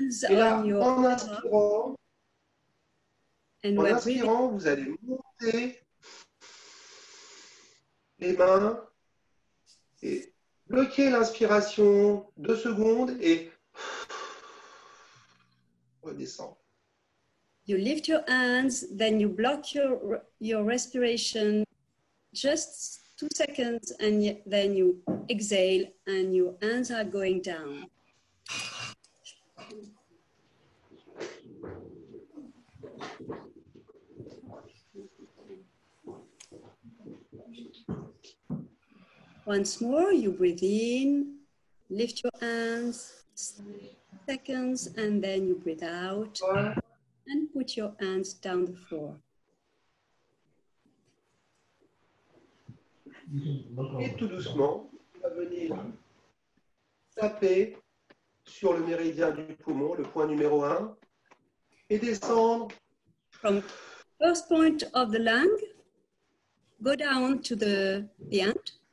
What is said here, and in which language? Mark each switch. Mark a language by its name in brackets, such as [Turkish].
[French] Et là, en inspirant, vous allez monter les mains et bloquer l'inspiration 2 secondes et redescendre. [English] You lift your hands, then you block your respiration just 2 seconds, and then you exhale, and your hands are going down. Once more, you breathe in, lift your hands, 2 seconds, and then you breathe out. And put your hands down the floor. [French] Et tout doucement, on va venir taper sur le méridien du poumon, le point numéro 1, et descendre. [English] From first point of the lung, go down to the end.